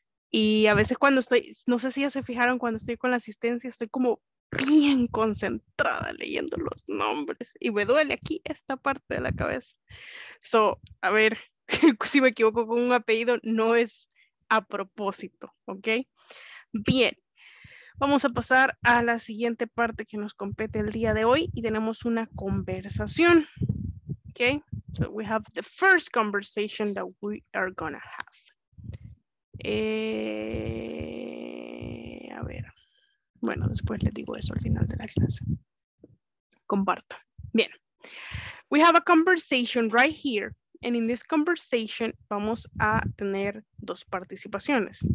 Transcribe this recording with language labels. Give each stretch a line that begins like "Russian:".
Spanish: Y a veces cuando estoy, no sé si ya se fijaron, cuando estoy con la asistencia, estoy como bien concentrada leyendo los nombres, y me duele aquí esta parte de la cabeza. So, a ver, si me equivoco con un apellido, no es a propósito, ¿ok? Bien, vamos a pasar a la siguiente parte que nos compete el día de hoy y tenemos una conversación, ¿ok?
English: So we have the first conversation that we are gonna have.
Spanish: A ver, bueno, después les digo eso al final de la clase. Comparto.
English: Bien, we have a conversation right here. And in this conversation,
Spanish: vamos a tener dos participaciones.